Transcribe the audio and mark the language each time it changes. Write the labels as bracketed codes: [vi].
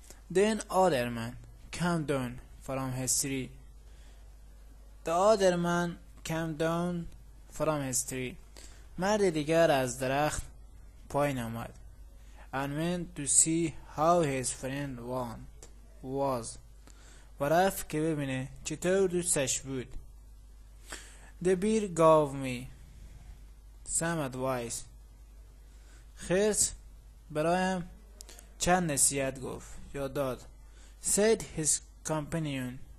[en] Then other man came down from his tree. The other man came down from his tree. [fa] مرد دیگر از درخت پایین آمد. [en] And went to see how his friend was. [fa] و رفت که ببینه چطور دوستش بود. [en] The bear gave me some advice. [fa] خرس برایم چند نصیحت گفت یا داد. [en] Said his companion.